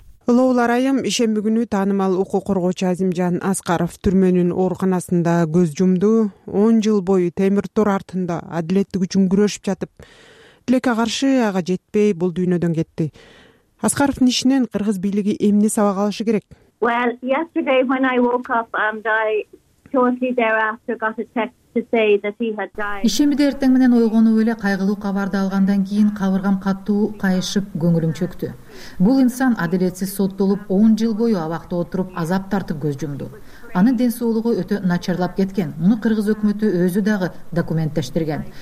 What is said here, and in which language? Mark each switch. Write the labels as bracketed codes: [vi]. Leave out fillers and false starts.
[ky] Лоулар айым, ишемби күнү таанымал укук коргоочу Азимжан Аскаров түрмөнүн ооруканасында көз жумду. 10 жыл бою темир тор артында адилеттик үчүн күрөшүп жатып, тилекке каршы ага жетпей бул дүйнөдөн кетти. Аскаровдун ишинен кыргыз бийлиги эмне сабак алышы керек? [en] Well, yesterday when I woke up and I shortly thereafter got a text to say that he had died. [ky] Ишембиде эртең менен ойгонуп эле кайгылуу кабарды алгандан кийин кабыргам катуу кайышып, көңүлүм чөктү. Бул инсан адилетсиз соттолуп, 10 жыл бою абакта отуруп, азап тартып көз жумду. Анын ден соолугу өтө начарлап кеткен. Муну кыргыз өкмөтү өзү дагы документтештирген.